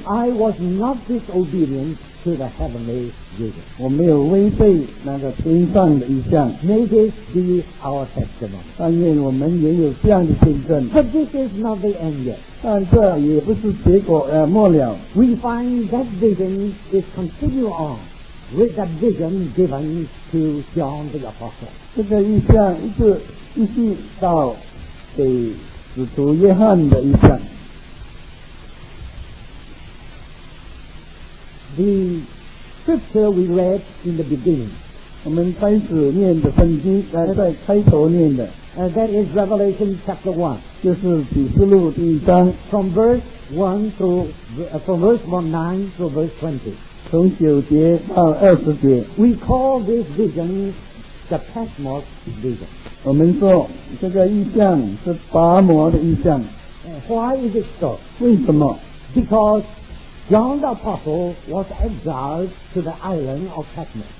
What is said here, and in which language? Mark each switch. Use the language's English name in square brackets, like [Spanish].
[English] I was not disobedientTo the heavenly vision. [Chinese] 我没有违背那个天上的意象。 [English] May this be our testimony. [Chinese] 但愿我们也有这样的见证。 [English] But this is not the end yet. [Chinese] 但这也不是结果，末了。 [English] We find that vision is continue on with the vision given to John the Apostle. [Chinese] 这个意象一直继续到给使徒约翰的意象。 [English] The scripture we read in the beginning. [Chinese] 我们开始念的圣经，在开头念的。 [English] That is Revelation chapter 1. [Chinese] 就是启示录第一章。 [English] From verse 1 through, from verse 9 through verse 20. [Chinese] 从九节到二十节。 [English] We call this vision the Patmos vision. [Chinese] 我们说这个意象是拔摩的意象。 [English] Why is it so? [Chinese] 为什么？ [English] Because John the Apostle was exiled to the island of Patmos.